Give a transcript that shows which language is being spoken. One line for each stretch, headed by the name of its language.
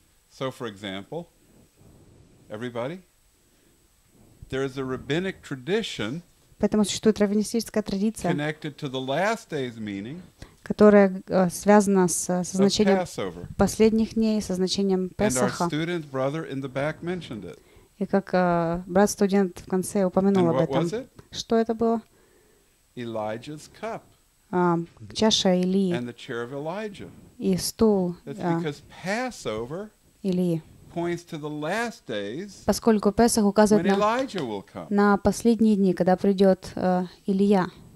English: So, for example, everybody, there is a rabbinic tradition connected to the last day's meaning,
Russian: которая связана со значением последних дней, со значением Песаха.
English: And our student brother in the back mentioned it.
Russian: И как брат-студент в конце упомянул
English: And
Russian: об этом.
English: What was it?
Russian: Что это было?
English: Elijah's cup.
Russian: Чаша Илии.
English: And the chair of Elijah.
Russian: И стул.
English: That's because Passover
Russian: Илии.
English: Points to the last days.
Russian: Поскольку Песах указывает на последние дни, когда придет Илия.